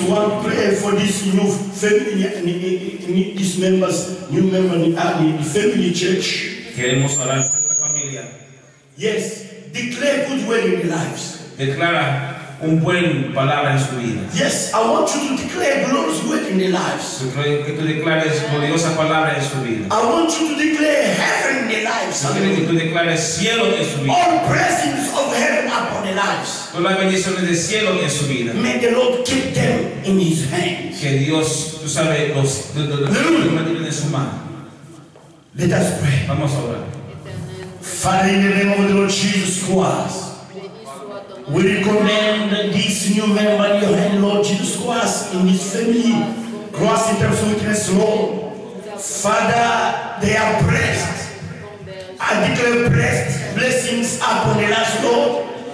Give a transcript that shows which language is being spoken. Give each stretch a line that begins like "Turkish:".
English: One prayer for this new family, these members, new members in the family church.
Spanish: Queremos orar por esta familia.
English: Yes. Declare good word in lives.
Spanish: Declara un buen palabra en su vida.
English: Yes, I want you to declare glorious word in their lives.
Spanish: Que tú declares gloriosa palabra en su vida.
English: I want you to declare heaven in their lives.
Spanish: Quiero que tú declares cielo en su vida.
English: All presence of heaven upon their lives.
Spanish: Todas las bendiciones del cielo en su vida.
English: May the Lord keep them in His hands.
Spanish: Que Dios, tú sabes, los mantiene en su mano.
English: Let us pray.
Spanish: Vamos a orar.
English: Father, in the name of the Lord Jesus Christ, we recommend this new member in your hand, Lord Jesus Christ, in this family, cross in terms of weakness, Lord. Father, they are blessed. I declare blessings upon the last Lord.